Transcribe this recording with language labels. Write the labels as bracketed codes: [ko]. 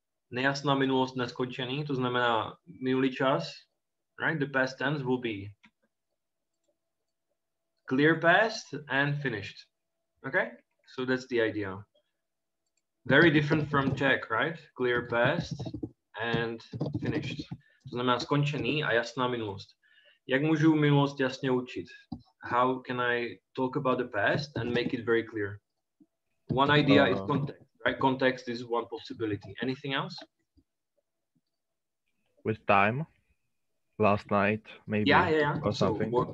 [cs] Nejasná minulost, neskončený, to znamená minulý čas, right? [en] The past tense will be clear past and finished, okay? So that's the idea. Very different from Czech, right? Clear past and finished. [cs] To znamená skončený a jasná minulost. Jak můžu minulost jasně učit? [en] How can I talk about the past and make it very clear? One idea is context, right? Context is one possibility. Anything else? With time, last night, maybe, or something.